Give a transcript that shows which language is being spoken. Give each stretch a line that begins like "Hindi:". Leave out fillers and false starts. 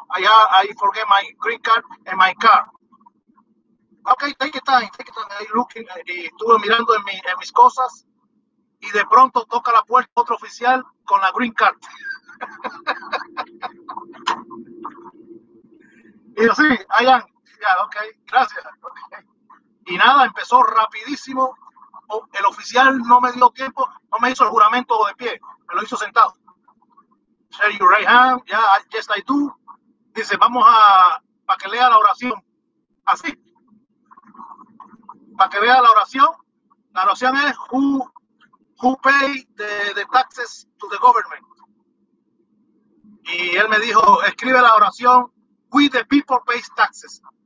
English: I forget my green card and my car. Okay, take your time. I'm looking,
Spanish: y estuve mirando en mis cosas, y de pronto toca la puerta otro oficial con la green card. Y yo, sí,
English: I am. Yeah, okay,
Spanish: gracias.
English: Okay.
Spanish: Y nada, empezó rapidísimo. El oficial no me dio tiempo, no me hizo el juramento de pie, me lo hizo sentado.
English: Say your right hand, yeah, yes I do.
Spanish: Dice, vamos a, para que lea la oración. Así. Para que vea la oración es
English: who pay the taxes to the government.
Spanish: Y él me dijo, escribe la oración,
English: we the people pay taxes.